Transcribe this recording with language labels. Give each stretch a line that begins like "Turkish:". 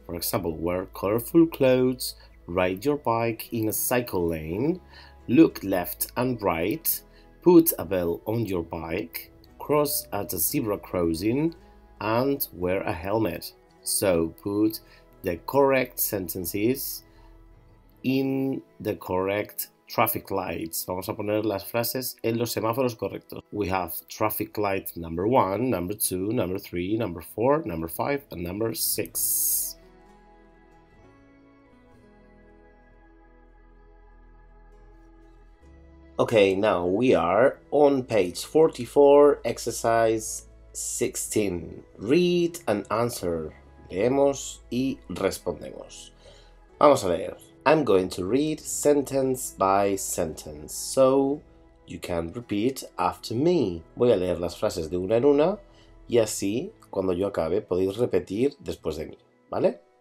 English: For example, wear colorful clothes, ride your bike in a cycle lane, look left and right, put a bell on your bike, cross at a zebra crossing and wear a helmet. So put the correct sentences in the correct traffic lights.
Spanish: Vamos a poner las frases en los semáforos correctos.
English: We have traffic light number 1, number 2, number 3, number 4, number 5, and number 6. Okay, now we are on page 44, exercise 16. Read and answer.
Spanish: Leemos y respondemos. Vamos a leer.
English: I'm going to read sentence by sentence, so you can repeat after me.
Spanish: Voy a leer las frases de una en una y así, cuando yo acabe, podéis repetir después de mí, ¿vale?